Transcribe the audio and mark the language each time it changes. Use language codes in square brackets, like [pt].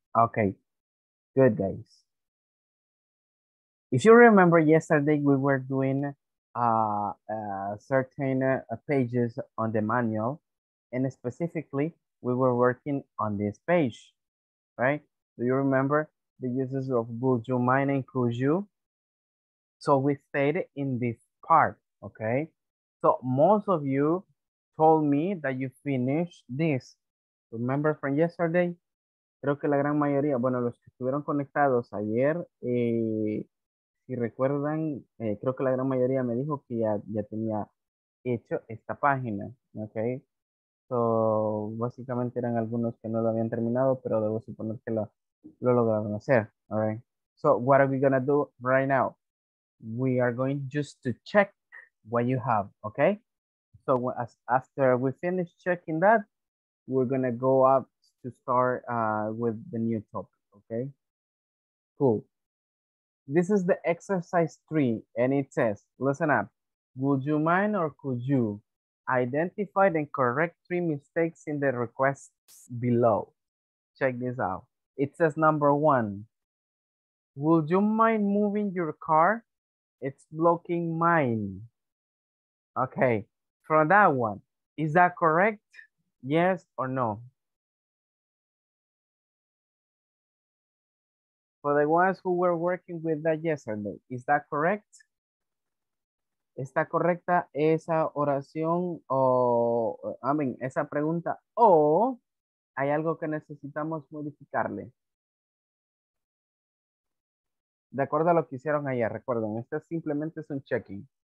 [en] Okay, good guys. If you remember yesterday, we were doing certain pages on the manual, and specifically, we were working on this page, right? Do you remember the uses of would you, mine, and could you? So we stayed in this part, okay? So most of you told me that you finished this. Remember from yesterday? [es] Creo que la gran mayoría, bueno, los que estuvieron conectados ayer, si recuerdan, creo que la gran mayoría me dijo que ya tenía hecho esta página, ¿ok? So, básicamente eran algunos que no lo habían terminado, pero debo suponer que lo lograron hacer, ¿all right? [en] So, what are we going to do right now? We are going just to check what you have, ¿ok? So, after we finish checking that, we're going to go up to start with the new topic, okay? Cool. This is the exercise 3, and it says, listen up, would you mind or could you identify and correct 3 mistakes in the requests below? Check this out. It says number 1, would you mind moving your car? It's blocking mine. Okay, from that one, is that correct? Yes or no? For the ones who were working with that yesterday, is that correct? [es] ¿Está correcta esa oración o, I mean, esa pregunta? ¿O hay algo que necesitamos modificarle? De acuerdo a lo que hicieron ayer, recuerden, este simplemente es un checking.